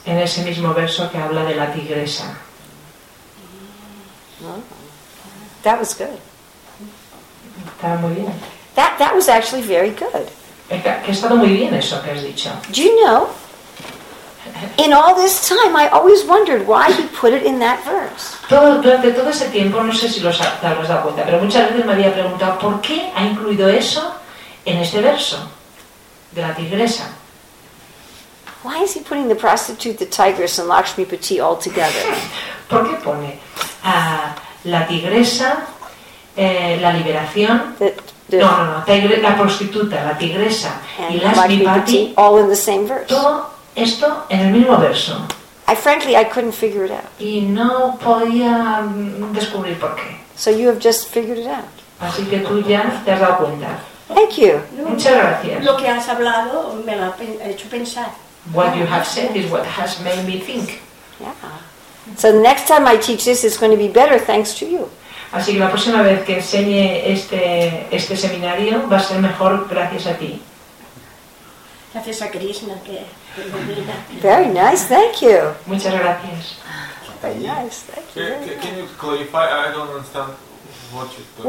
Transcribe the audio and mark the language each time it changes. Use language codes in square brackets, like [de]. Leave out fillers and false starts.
[es] En ese mismo verso que habla de la tigresa. [en] Oh, that was good. [es] Estaba muy bien. [en] That was actually very good. [es] Que ha estado muy bien eso que has dicho. [en] Do you know? In all this time, I always wondered why he put it in that verse. [es] Durante todo ese tiempo, no sé si lo has dado cuenta, pero muchas veces me había preguntado por qué ha incluido eso en este verso de la tigresa. [en] Why is he putting the prostitute, the tigress, and Lakshmipati all together? [es] ¿Por qué pone la tigresa, la liberación? La prostituta, la tigresa [en] and [es] y Lakshmipati [en] all in the same verse. [es] Todo esto en el mismo verso. [en] I couldn't figure it out. [es] Y no podía descubrir por qué. [en] So you have just figured it out. [es] Así que tú ya te has dado cuenta. [en] Thank you. [es] Muchas gracias. Lo que has hablado me lo ha hecho pensar. [en] What you have said is what has made me think. Yeah. So the next time I teach this, it's going to be better thanks to you. [es] Así que la próxima vez que enseñe este seminario va a ser mejor gracias a ti. Gracias a Krishna que. [en] Very nice. Thank you. [es] Muchas gracias. [en] Very nice. Thank you. Can you clarify? I don't understand what you. Talking.